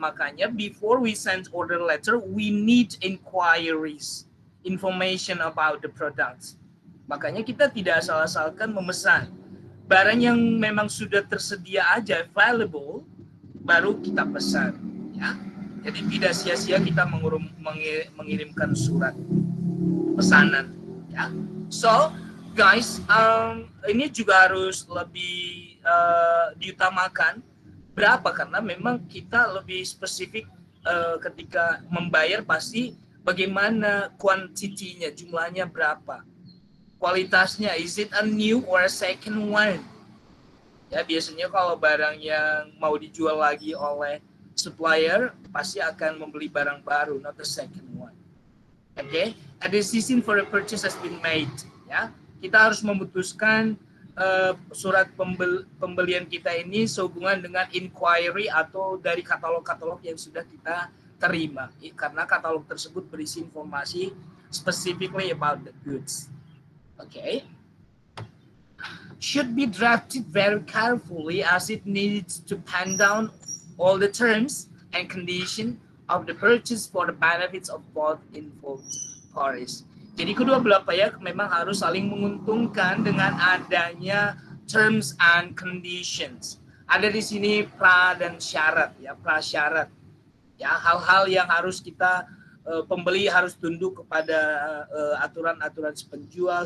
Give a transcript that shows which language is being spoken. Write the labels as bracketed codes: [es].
[id] Makanya [en] before we send order letter, we need inquiries, information about the products. [id] Makanya kita tidak asal-asalkan memesan. Barang yang memang sudah tersedia aja, available, baru kita pesan, ya. Jadi tidak sia-sia kita mengirimkan surat pesanan, ya. [en] So, guys, [id] ini juga harus lebih diutamakan. Berapa? Karena memang kita lebih spesifik ketika membayar pasti bagaimana quantity-nya, jumlahnya berapa. Kualitasnya, [en] is it a new or a second one? [id] Ya, biasanya kalau barang yang mau dijual lagi oleh supplier, pasti akan membeli barang baru, [en] not the second one. Okay? A decision for a purchase has been made. [id] Ya, kita harus memutuskan surat pembelian kita ini sehubungan dengan inquiry atau dari katalog-katalog yang sudah kita terima. Karena katalog tersebut berisi informasi [en] specifically about the goods. Okay. Should be drafted very carefully as it needs to pen down all the terms and condition of the purchase for the benefits of both involved parties. [id] Jadi kedua belah pihak memang harus saling menguntungkan dengan adanya terms and conditions. Ada di sini pra dan syarat, ya, prasyarat. Ya, hal-hal yang harus kita pembeli harus tunduk kepada aturan-aturan penjual.